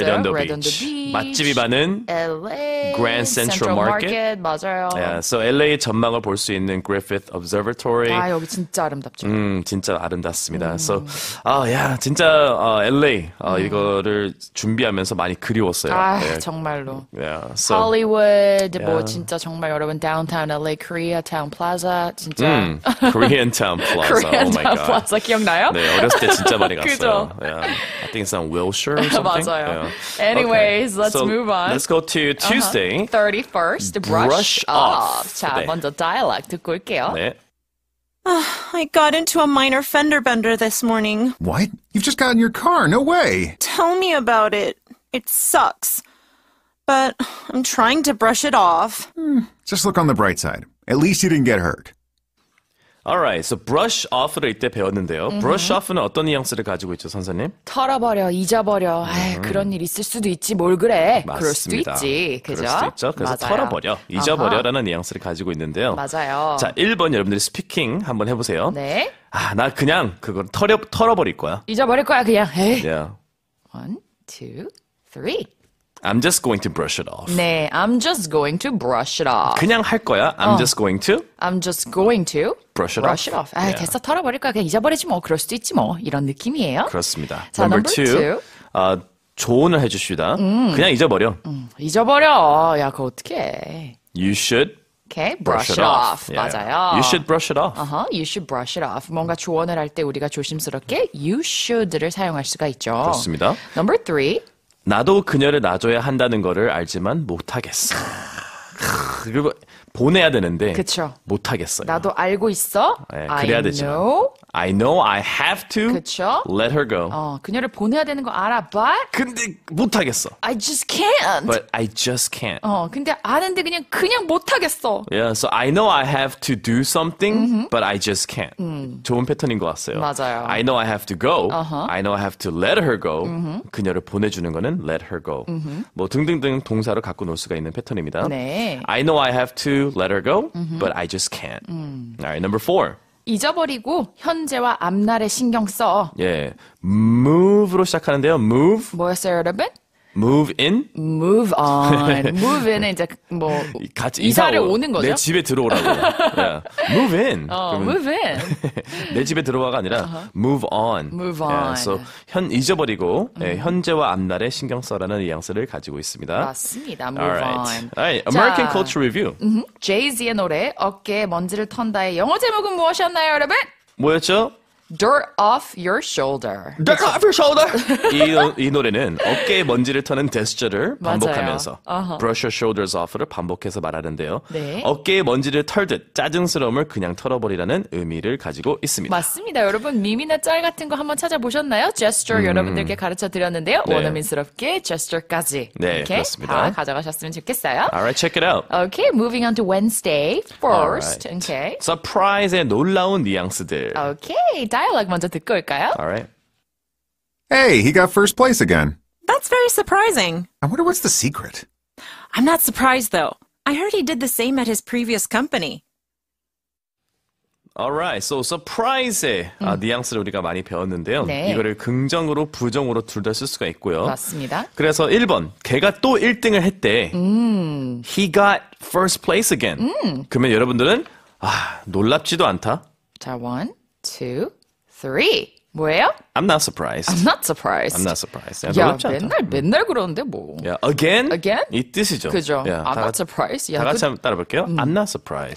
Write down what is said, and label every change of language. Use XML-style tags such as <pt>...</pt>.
<ko>Redondo Beach. 맛집이 많은</ko> <en>LA, Grand Central Market.</en> <ko>맞아요. Yeah, so LA의 전망을 볼 수 있는 Griffith Observatory. 아, 여기 진짜 아름답죠. 진짜 아름답습니다. So, 아, 야, 진짜 LA 이거를 준비하면서 많이 그리웠어요. 아, 네. 정말로.</ko> <en>Yeah,</en> <ko>so, Hollywood, yeah. 뭐 진짜 정말 여러분 Downtown LA, Koreatown Plaza, 진짜.</ko> <en>Koreatown Plaza.</en> <ko>Koreatown Plaza 기억나요? 네, 어렸을 때 진짜 많이 갔어요.</ko> <en>Yeah. I think it's on Wilshire or something.</en> <ko>맞아요.</ko> <en>Yeah. Anyways, okay. let's move on. Let's go to Tuesday. 31st, brush off.</en> <ko>자, 네. 먼저 dialogue 듣고 올게요. 네.</ko> <en>I got into a minor fender bender this morning. What? You've just gotten your car? No way. Tell me about it. It sucks. but I'm trying to brush it off. Just look on the bright side. At least you didn't get hurt.</en> <ko>Alright, so brush off를 이때 배웠는데요. Mm-hmm. Brush off는 어떤 뉘앙스를 가지고 있죠, 선생님? 털어버려, 잊어버려. Mm-hmm. 에이, 그런 일 있을 수도 있지, 뭘 그래. 맞습니다. 그럴 수도 있지, 그죠? 그럴 수도 있죠. 그래서 맞아요. 털어버려, 잊어버려라는 uh-huh. 뉘앙스를 가지고 있는데요. 맞아요. 자, 1번 여러분들이 스피킹 한번 해보세요. 네. 아, 나 그냥 그걸 털어버릴 거야. 잊어버릴 거야, 그냥. 에이.</ko> <en>Yeah. 1, 2, 3 I'm just going to brush it off. 네, I'm just going to brush it off.</en> <ko>그냥 할 거야.</ko> <en>I'm just going to. I'm just going to brush it brush It off. 아, yeah.</en> <ko>됐어, 털어버릴 거야. 그냥 잊어버리지 뭐. 그럴 수도 있지 뭐. 이런 느낌이에요. 그렇습니다. 자, number two. 조언을 해주시다. 그냥 잊어버려. 잊어버려. 야, 그거 어떡해.</ko> <en>You should. Okay, brush it off. Off. Yeah.</en> <ko>맞아요.</ko> <en>You should brush it off. Uh-huh. You should brush it off.</en> <ko>뭔가 조언을 할 때 우리가 조심스럽게 you should를 사용할 수가 있죠. 그렇습니다.</ko> <en>Number three.</en> <ko>나도 그녀를 놔줘야 한다는 거를 알지만 못하겠어. 그리고 보내야 되는데 그쵸. 못하겠어요. 나도 알고 있어. 네, 그래야 되죠.</ko> <en>I know I have to</en> <ko>그쵸?</ko> <en>let her go.</en> <ko>어, 그녀를 보내야 되는 거 알아, but 근데 못하겠어.</ko> <en>I just can't. But I just can't.</en> <ko>어, 근데 아는데 그냥 못하겠어.</ko> <en>Yeah, so I know I have to do something, mm-hmm. but I just can't.</en> <ko>좋은 패턴인 것 같아요. 맞아요.</ko> <en>I know I have to go. Uh-huh. I know I have to let her go. Mm-hmm.</en> <ko>그녀를 보내주는 거는 let her go. Mm-hmm. 뭐 등등등 동사로 갖고 놀 수가 있는 패턴입니다. 네.</ko> <en>I know I have to let her go, mm-hmm. but I just can't. Alright, number four.</en> <ko>잊어버리고 현재와 앞날에 신경 써. 예, move로 시작하는데요.</ko> <en>Move.</en> <ko>뭐였어요, 여러분?</ko> <en>Move in. Move on.</en> <ko>Move in은 이제 뭐 같이 이사를 이사 오는 거죠? 내 집에 들어오라고. yeah. Move in.</ko> <en>어, move in.</en> <ko>내 집에 들어와가 아니라 uh-huh.</ko> <en>move on. Move on. Yeah.</en> <ko>So 현 잊어버리고 예, 현재와 앞날에 신경 써라는 뉘앙스를 가지고 있습니다. 맞습니다.</ko> <en>Move Alright. on. Alright. American 자, Culture Review.</en> <ko>Jay-Z의 노래 어깨에 먼지를 턴다의 영어 제목은 무엇이었나요, 여러분? 뭐였죠?</ko> <en>Dirt off your shoulder. Dirt off your shoulder.</en> <ko>이 노래는 어깨에 먼지를 터는 데스처를 반복하면서 uh-huh.</ko> <en>brush your shoulders off를</en> <ko>반복해서 말하는데요. 네. 어깨에 먼지를 털듯 짜증스러움을 그냥 털어버리라는 의미를 가지고 있습니다. 맞습니다, 여러분. 밈이나 짤 같은 거 한번 찾아보셨나요? Gesture 여러분들께 가르쳐 드렸는데요. 네. 원어민스럽게 gesture까지. 네, 이렇게 그렇습니다. 다 가져가셨으면 좋겠어요.</ko> <en>Alright, check it out. Okay, moving on to Wednesday first. Alright. Okay.</en> <ko>Surprise의 놀라운 뉘앙스들.</ko> <en>Okay.</en> <ko>Dialogue 먼저 듣고 올까요?</ko> <en>All right. Hey, he got first place again. That's very surprising. I wonder what's the secret. I'm not surprised, though. I heard he did the same at his previous company. All right.</en> <ko>So, surprise의 뉘앙스를 우리가 많이 배웠는데요. 네. 이거를 긍정으로, 부정으로 둘 다 쓸 수가 있고요. 맞습니다. 그래서 1번, 걔가 또 1등을 했대.</ko> <en>He got first place again.</en> <ko>그러면 여러분들은 아, 놀랍지도 않다. 자, 1. 2, 3 뭐예요?</ko> <en>I'm not surprised. I'm not surprised. I'm not surprised.</en> <ko>야, 맨날 그러는데 뭐.</ko> <en>Yeah, again? Again?</en> <ko>이 뜻이죠. 그죠.</ko> <en>Yeah, I'm not surprised.</en> <ko>다 같이 한번 따라볼게요.</ko> <en>I'm not surprised.</en>